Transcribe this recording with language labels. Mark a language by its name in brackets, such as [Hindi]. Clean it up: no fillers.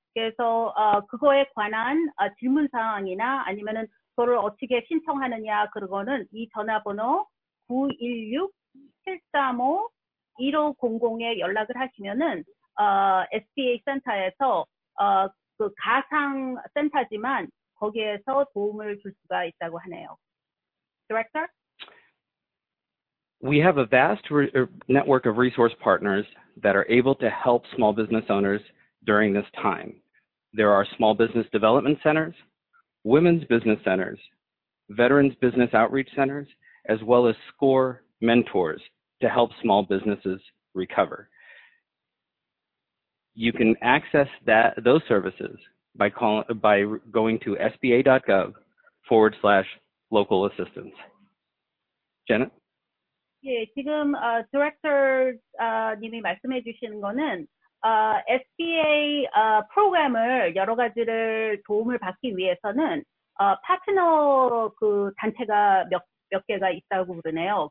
[Korean] 그래서 그거에 관한 질문 사항이나 아니면은 그거를 어떻게 신청하느냐 그거는 이 전화번호 916-735-1500에 연락을 하시면은 SBA 센터에서 그 가상 센터지만 거기에서 도움을 줄 수가 있다고 하네요. [English] Director? We have a vast network of resource partners that are able to help small business owners during this time. There are small business development centers, women's business centers, veterans business outreach centers, as well as SCORE mentors to help small businesses recover. You can access those services by going to sba.gov/local assistance. Janet? [Korean] 예, 지금 디렉터님이 말씀해 주시는 거는 SBA 프로그램을 여러 가지를 도움을 받기 위해서는 파트너 그 단체가 몇 개가 있다고 그러네요.